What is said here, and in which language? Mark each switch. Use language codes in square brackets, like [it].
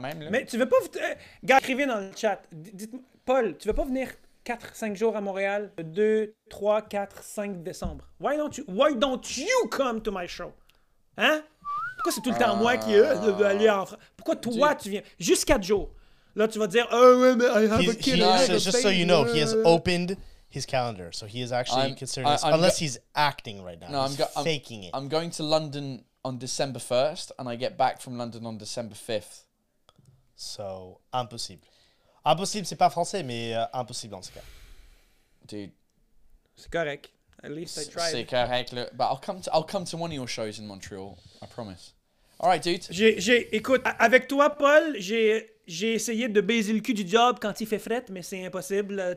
[fr] Mais tu veux pas, gars, écrivez dans le chat. Dites-moi, Paul, tu veux pas venir 4-5 jours à Montréal, 2, 3, 4, 5 décembre. [en] Why don't you come to my show? Hein? [fr] Pourquoi c'est tout le temps moi qui veux aller en France? Pourquoi toi tu viens juste 4 jours? Là, tu vas dire, oh, ouais, mais [en] I have a kid. Just so you know, he has opened his calendar. So he is actually considering this. Unless he's acting right now. No, he's faking it. I'm going to London on December 1st, and I get back from London on December 5th. So, impossible. [fr] Impossible, c'est pas français, mais impossible en ce cas. [en] Dude. [fr] C'est correct. [en] At least I tried. [fr] C'est correct. [en] Look, but I'll come to one of your shows in Montreal. I promise. All right, dude. [fr] Écoute, avec toi, Paul, j'ai essayé de baiser le cul du job quand il fait fret, mais c'est impossible.